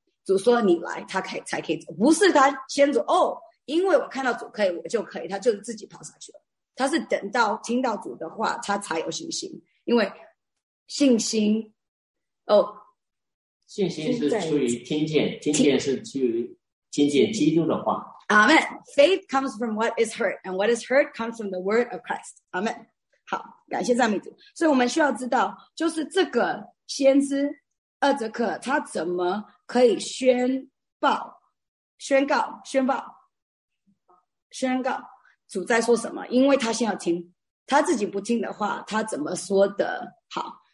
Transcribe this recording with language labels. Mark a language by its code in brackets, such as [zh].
[zh] 主说你来他才可以走，不是他先走，哦，因为我看到主可以我就可以，他就自己跑上去了。他是等到听到主的话他才有信心，因为信心，哦，信心是出于听见是出于听见基督的话。 [en] Amen. Faith comes from what is heard, and what is heard comes from the word of Christ. [zh] Amen. 好，感谢赞美主。所以我们需要知道，就是这个先知厄泽克他怎么可以宣告主在说什么，因为他先要听，他自己不听的话他怎么说的好。